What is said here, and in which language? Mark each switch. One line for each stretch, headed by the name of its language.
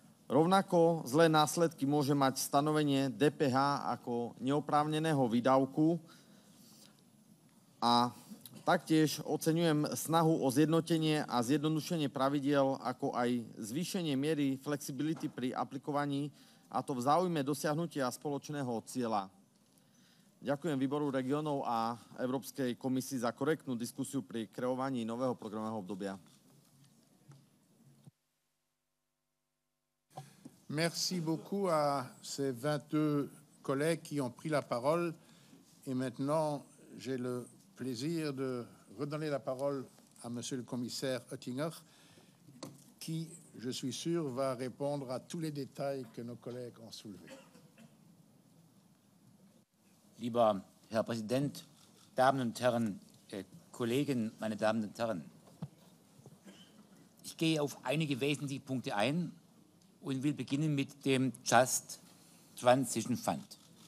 Slovak: Rovnako zlé následky môže mať stanovenie DPH ako neoprávneného výdavku a taktiež oceňujem snahu o zjednotenie a zjednodušenie pravidiel, ako aj zvýšenie miery flexibility pri aplikovaní, a to v záujme dosiahnutia spoločného cieľa. Ďakujem výboru regionov a Európskej komisii za korektnú diskusiu pri kreovaní nového programového obdobia.
French: Merci beaucoup à ces 22 collègues qui ont pris la parole. Et maintenant, j'ai le plaisir de redonner la parole à Monsieur le commissaire Oettinger, qui, je suis sûr, va répondre à tous les détails que nos collègues ont soulevés.
German: Lieber Herr Präsident, Damen und Herren, Kollegen, meine Damen und Herren, ich gehe auf einige wesentliche Punkte ein und will beginnen mit dem Just Transition Fund.